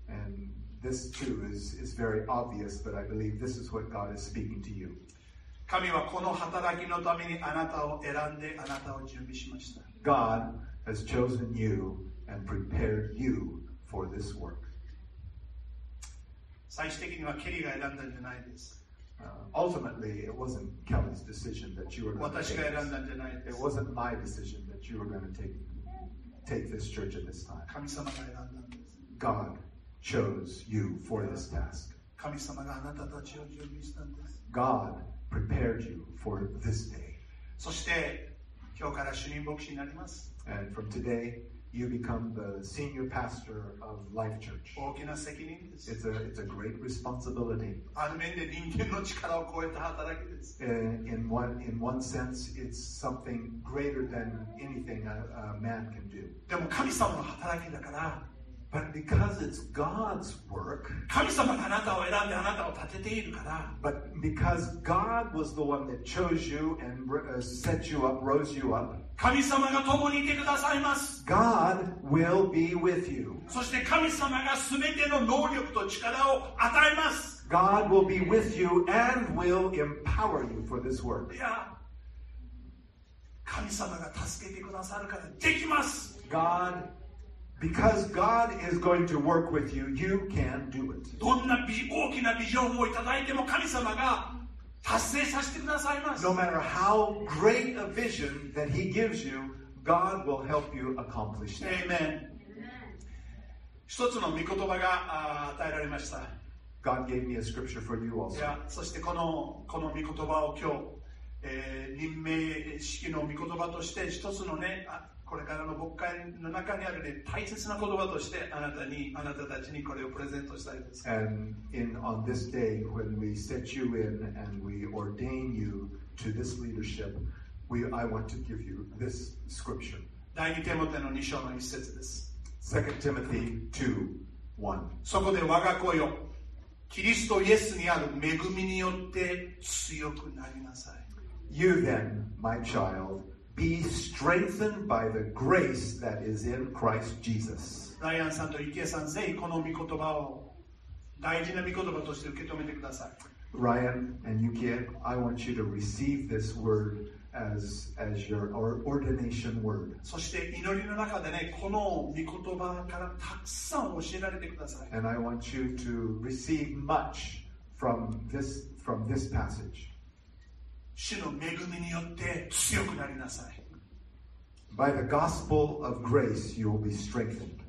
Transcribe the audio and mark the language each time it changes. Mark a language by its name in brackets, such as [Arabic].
[English] And this too is very obvious, but I believe this is what God is speaking to you. [Japanese] 神はこの働きのためにあなたを選んであなたを準備しました。 [English] God has chosen you and prepared you for this work. [Japanese] 最終的にはケリーが選んだんじゃないです。 [English] Ultimately, it wasn't Kelly's decision that you were going to take. [Japanese] 私が選んだんじゃないです。 [English] It wasn't my decision that you were going to take this church at this time. [Japanese] 神様が選んだんです。 [English] God chose you for this task. [Japanese] 神様があなたたちを準備したんです。 [English] God. Prepared you for this day. [Japanese] そして今日から主任牧師になります。 [English] And from today, you become the senior pastor of Life Church. [Japanese] 大きな責任です。 [English] It's a great responsibility. [Japanese] ある面で人間の力を超えた働きです。 [English] In one sense, it's something greater than anything a man can do. [Japanese] でも神様の働きだから。 [English] But because it's God's work, [Japanese] 神様があなたを選んであなたを立てているから。 [English] But because God was the one that chose you and set you up, rose you up, [Japanese] 神様が共にいてくださいます。 [English] God will be with you. [Japanese] そして神様が全ての能力と力を与えます。 [English] God will be with you and will empower you for this work. [Japanese] いや、神様が助けてくださるからできます。 [English] God. Because God is going to work with you, you can do it. [Japanese] どんな大きなビジョンをいただいても神様が達成させてくださいます。 [English] No matter how great a vision that He gives you, God will help you accomplish it. Amen. [Japanese] 一つの御言葉が与えられました。 [English] God gave me a scripture for you also. [Japanese] いや、そしてこの御言葉を今日、任命式の御言葉として一つのね、これからの牧会の中にある、ね、大切な言葉としてあなたたちにこれをプレゼントしたいです。 [English] And on this day, when we set you in and we ordain you to this leadership, I want to give you this scripture. [Japanese] 第二テモテの2章の1節です。 [English] 2 Timothy 2:1。 [Japanese] そこで我が子よ、キリストイエスにある恵みによって強くなりなさい。 [English] You then, my child,Be strengthened by the grace that is in Christ Jesus. [Japanese] Ryan さんと池さん、ぜひこの御言葉を大事な御言葉として受け止めてください。 [English] Ryan and Yuki, I want you to receive this word as your ordination word. [Japanese] そして祈りの中でね、この御言葉からたくさん教えられてください。 [English] And I want you to receive much from this passage. [Japanese] 主の恵みによって強くなりなさい。 [English] By the gospel of grace, you will be strengthened.